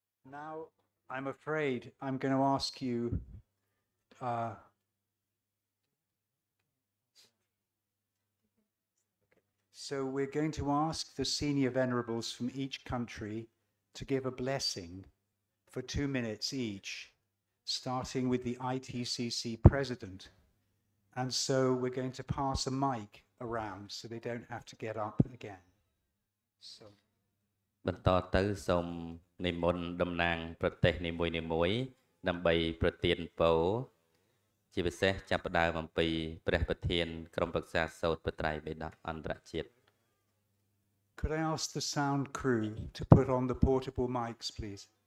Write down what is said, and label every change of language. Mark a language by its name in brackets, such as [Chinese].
[English] Now, I'm afraid I'm going to ask you, so we're going to ask the senior venerables from each country to give a blessing for 2 minutes each, starting with the ITCC president. And so we're going to pass a mic around so they don't have to get up again. So. [Khmer] បន្តទៅសូមនិមន្តតំណាងប្រទេសនីមួយនីមួយដើម្បីប្រទានពរជាពិសេសចាប់ផ្ដើមអំពីព្រះប្រធានក្រុមប្រឹក្សាសោតប្រត្រៃបេដអន្តរជាតិ [English] Could I ask the sound crew to put on the portable mics please?